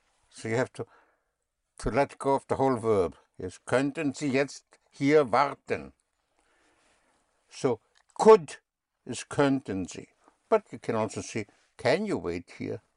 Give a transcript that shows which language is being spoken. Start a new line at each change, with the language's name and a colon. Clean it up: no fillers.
English: So you have to let go of the whole verb.
German: Yes, könnten Sie jetzt hier warten?
English: So, could is könnten Sie. But you can also say, can you wait here?